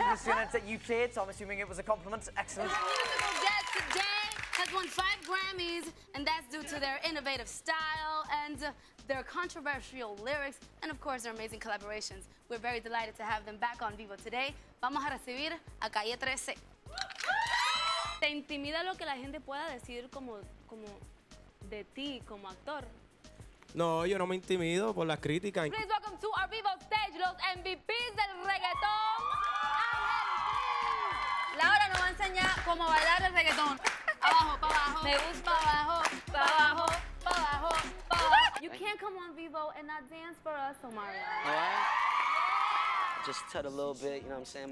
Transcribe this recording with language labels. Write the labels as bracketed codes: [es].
[en] I'm just gonna say you played, so I'm assuming it was a compliment. Excellent. My musical guest today has won 5 Grammys, and that's due to their innovative style and their controversial lyrics, and of course, their amazing collaborations. We're very delighted to have them back on Vivo today. [es] Vamos a recibir a Calle 13. ¿Te intimida lo que la gente pueda decir como de ti como actor? No, yo no me intimido por las críticas. [en] Please welcome to our Vivo stage, [es] los MVPs del reggaetón. Laura nos va a enseñar cómo bailar el reggaetón. Abajo, pa' abajo. Me gusta pa' abajo, pa' abajo. [en] You can't come on Vivo and not dance for us, Omar. Yeah. Just tut a little bit, you know what I'm saying?